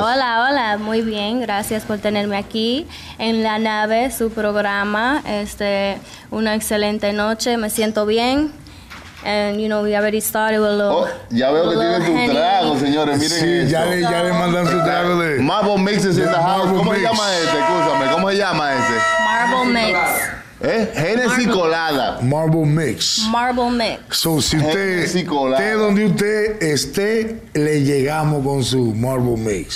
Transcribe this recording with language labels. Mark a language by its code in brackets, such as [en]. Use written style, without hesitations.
[es] Hola, hola, muy bien, gracias por tenerme aquí en la nave, su programa. Una excelente noche, me siento bien. [en] And you know, we already started with a little. [es] Oh, ya veo que tiene tu trago, señores, miren. Sí, esto. Ya le mandan su trago de [en] Marble Mixes in the house. [es] ¿Cómo se llama ese? Marble Mix. Genesis Colada. Marble Mix. Marble Mix. So, si usted esté donde usted esté, le llegamos con su Marble Mix.